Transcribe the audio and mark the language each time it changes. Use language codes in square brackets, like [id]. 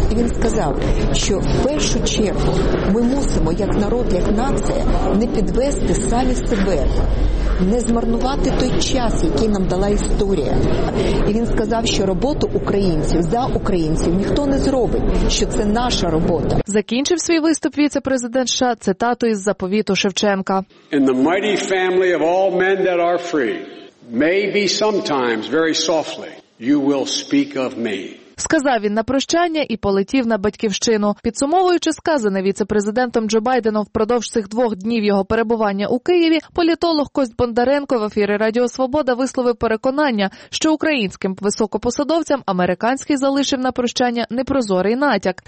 [uk] Він сказав, що в першу чергу ми мусимо, як народ, як нація, не підвести самі себе, не змарнувати той час, який нам дала історія. І він сказав, що роботу українців за українців ніхто не зробить, що це наша робота. Закінчив свій виступ віце-президент США цитатою із заповіту Шевченка. [en] In the mighty family of all men that are free, maybe sometimes very softly, you will speak of me. [uk] Сказав він на прощання і полетів на батьківщину. Підсумовуючи сказане віце-президентом Джо Байденом впродовж цих двох днів його перебування у Києві, політолог Кость Бондаренко в ефірі Радіо Свобода висловив переконання, що українським високопосадовцям американський залишив на прощання непрозорий натяк.